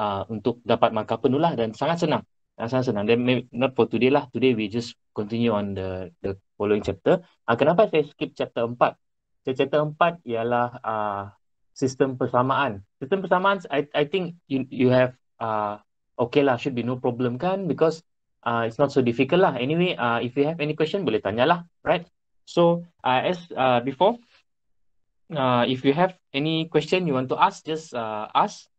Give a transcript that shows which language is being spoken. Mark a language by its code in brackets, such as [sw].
[ms] Untuk dapat markah penuh lah dan sangat senang. Sangat senang. [en] Then maybe not for today lah. Today we just continue on the following chapter. [ms] Kenapa saya skip chapter 4? Chapter 4 ialah sistem persamaan. [en] Sistem persamaan, I think you have okay lah, should be no problem kan, because it's not so difficult lah. Anyway, if you have any question, [ms] boleh tanyalah, [en] right? So, if you have any question you want to ask, just ask.